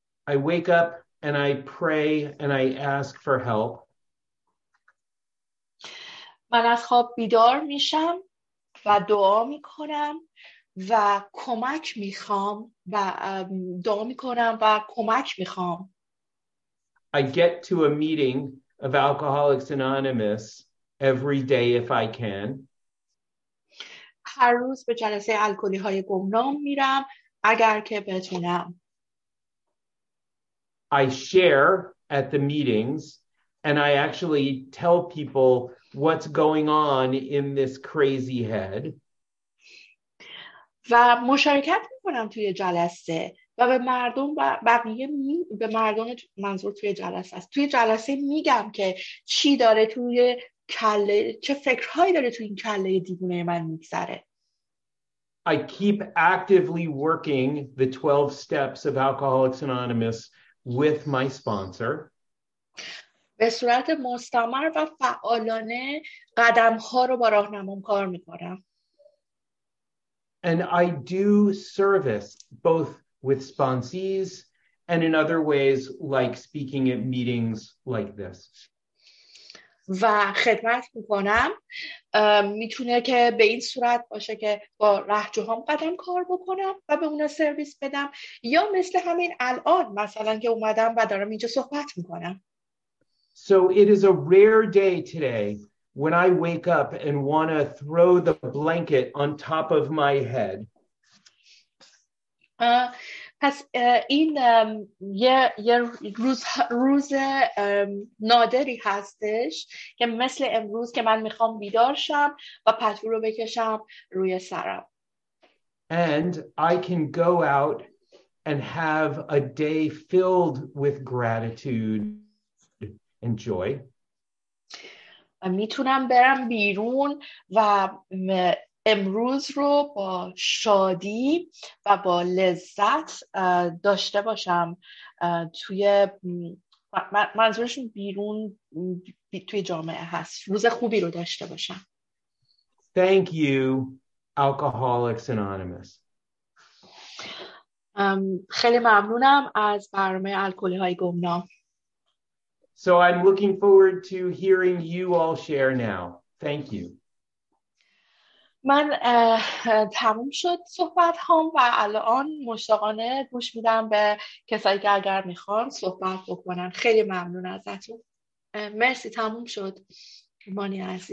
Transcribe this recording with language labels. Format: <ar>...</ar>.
<en>I wake up and I pray and I ask for help.</en> <fa>من از خواب بیدار میشم و دعا میکنم و کمک میخوام و دعا میکنم و کمک میخوام.</fa> <en>I get to a meeting of Alcoholics Anonymous every day if I can.</en> <fa>هر روز به جلسه الکلی های گمنام میرم اگر که بتونم.</fa> <en>I share at the meetings and I actually tell people what's going on in this crazy head.</en> <fa>و مشارکت میکنم توی جلسه و به مردم و بقیه به مردم منظور توی جلسه است. توی جلسه میگم که چی داره توی کله، چه فکرهایی داره توی این کله دیوونه من میگذره.</fa> <en>I keep actively working the 12 steps of Alcoholics Anonymous with my sponsor.</en> <fa>به صورت مستمر و فعالانه قدم ها رو با راهنمام کار میکنم.</fa> <en>And I do service both with sponsees and in other ways, like speaking at meetings like this.</en> <fa>و خدمت میکنم میتونه که به این صورت باشه که با رهجوهام قدم کار بکنم و به اونا سرویس بدم یا مثل همین الان مثلا که اومدم و دارم اینجا صحبت میکنم.</fa> <en>So it is a rare day today when I wake up and want to throw the blanket on top of my head.</en> <fa>پس این یه روز نادری هستش که مثل امروز که من میخوام بیدار شم و پتو رو بکشم روی سرم.</fa> <en>And I can go out and have a day filled with gratitude and joy.</en> <fa>میتونم برم بیرون و امروز رو با شادی و با لذت داشته باشم توی منظورشون بیرون توی جامعه هست روز خوبی رو داشته باشم.</fa> <en>Thank you, Alcoholics Anonymous.</en> <fa>خیلی ممنونم از برنامه الکل‌های گمنام.</fa> <en>So I'm looking forward to hearing you all share now. Thank you.</en> <fa>من تموم شد صحبت هام و الان مشتاقانه گوش میدم به کسایی که اگر میخوان صحبت بکنن. خیلی ممنون ازتون. مرسی تموم شد مانی عزیز.</fa>